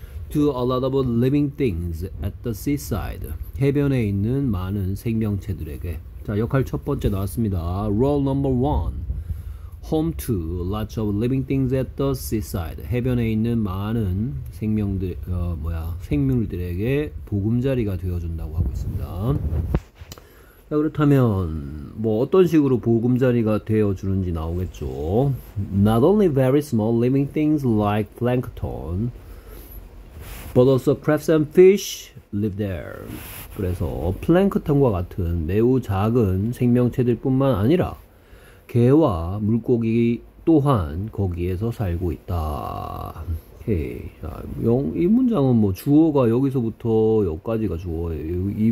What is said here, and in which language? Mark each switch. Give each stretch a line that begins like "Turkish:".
English: To a lot of living things at the seaside.
Korean: 해변에 있는 많은 생명체들에게. 자, 역할 첫 번째 나왔습니다.
English: Role number one. Home to lots of living things at the seaside.
Korean: 해변에 있는 많은 생물들에게 보금자리가 되어준다고 하고 있습니다. 자, 그렇다면, 뭐, 어떤 식으로 보금자리가 되어주는지 나오겠죠.
English: Not only very small living things like plankton, but also crabs and fish live there.
Korean: 그래서 플랭크톤과 같은 매우 작은 생명체들뿐만 아니라 개와 물고기 또한 거기에서 살고 있다. 오케이. 이 문장은 뭐 주어가 여기서부터 여기까지가 주어예요.